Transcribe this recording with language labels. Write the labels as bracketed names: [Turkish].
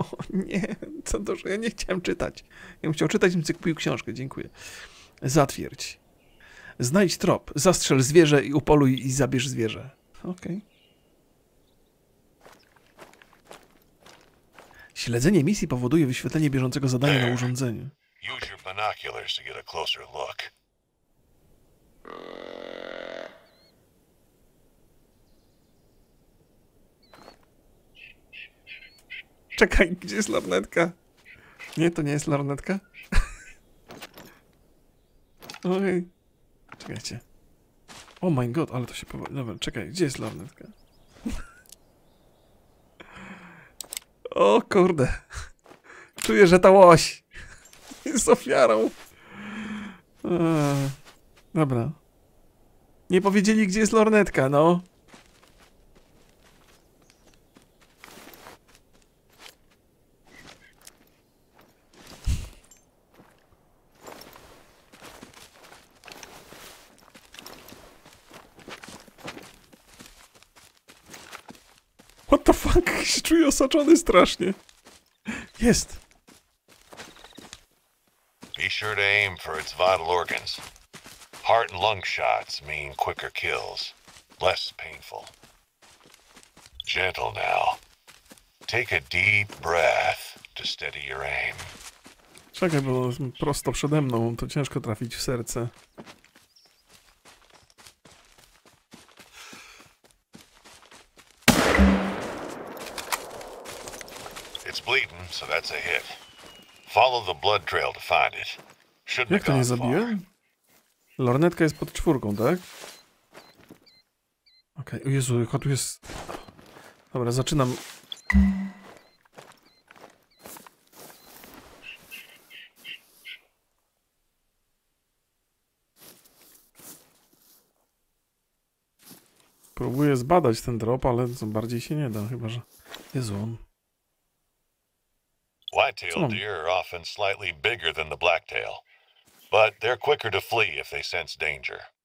[Polish] Nie, co to, że ja nie chciałem czytać. Ja bym chciał czytać, bym sobie kupił książkę, dziękuję. Zatwierdź. Znajdź trop, zastrzel zwierzę i upoluj i zabierz zwierzę. Okej. Śledzenie misji powoduje wyświetlenie bieżącego zadania na urządzeniu. [English] Use your binoculars to get a closer look. [Polish] Czekaj, gdzie jest lornetka? Nie, to nie jest lornetka. Okej. Czekajcie. [English] Oh my god, [Polish] ale to się powoli. Dobra, czekaj, gdzie jest lornetka? O kurde. Czuję, że ta łoś jest ofiarą. Dobra. Nie powiedzieli, gdzie jest lornetka, no. [English] What the fuck? [Polish] Się czuję osaczony strasznie. Jest. [English] Be sure to aim for its vital organs. Heart and lung shots mean quicker kills, less painful. Gentle now. Take a deep breath to steady your aim. [Polish] Czekaj, bo prosto przede mną, to ciężko trafić w serce. [English] It's bleeding, so that's a hit. Follow the blood trail to find it. Shouldn't have gone far. [Polish] Lornetka jest pod czwórką, tak? Okej, okay. O Jezu, jaka tu jest... Dobra, zaczynam... Próbuję zbadać ten drop, ale co, bardziej się nie da, chyba że... Jezu, on... [English] White-tailed deer are often slightly bigger than the black-tail. But they're quicker to flee if they sense danger.